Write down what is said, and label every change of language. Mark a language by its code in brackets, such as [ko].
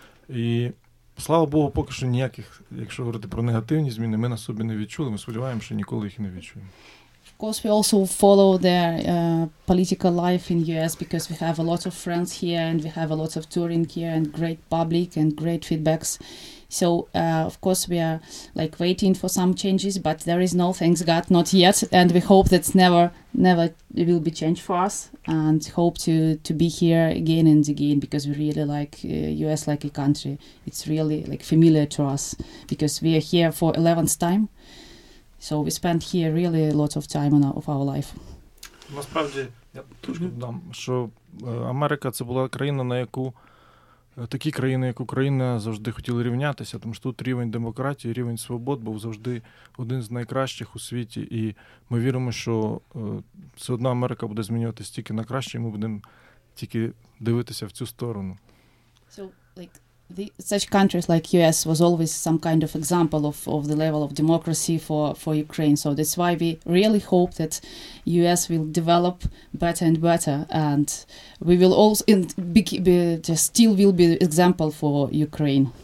[uk] І, слава Богу, поки що ніяких, якщо говорити про негативні зміни, ми на собі не відчули, ми сподіваємося, що ніколи їх не відчуємо. [en] Of course, we also follow the political life in US because we have a lot of friends here and we have a lot of touring here and great public and great feedbacks. So, of course, we are like waiting for some changes, but there is no, thanks God, not yet. And we hope that never it will be changed for us and hope to be here again and again because we really like US like a country. It's really like familiar to us because we are here for 11th time. So we spent here really a lot of time of our life. [uk] Насправді, я трошки додам, що Америка – це була країна, на яку такі країни, як Україна, завжди хотіли рівнятися, тому що тут рівень демократії, рівень свобод був завжди один з найкращих у світі. І ми віримо, що все одно Америка буде змінюватися тільки на краще, і ми будемо тільки дивитися в цю сторону. [en] So, like... Such countries like U.S. was always some kind of example of the level of democracy for Ukraine. So that's why we really hope that U.S. will develop better and better. And we will also still will be example for Ukraine.